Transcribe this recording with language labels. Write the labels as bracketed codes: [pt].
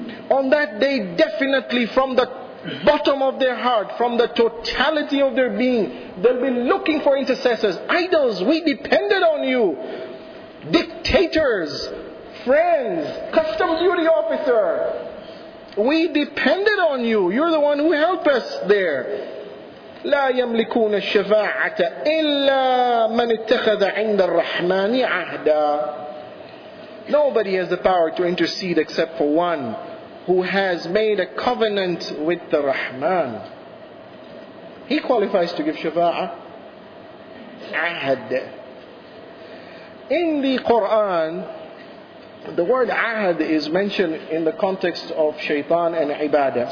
[en] On that day, definitely from the bottom of their heart, from the totality of their being, they'll be looking for intercessors. Idols, we depended on you. Dictators, friends, customs duty officer, we depended on you. You're the one who helped us there. [ar] لا يملكون الشفاعة إلا من اتخذ عند الرحمن عهدا. [en] Nobody has the power to intercede except for one who has made a covenant with the Rahman. He qualifies to give shafa'a. [ar] عهد. [en] In the Quran, the word عهد is mentioned in the context of shaitan and ibadah.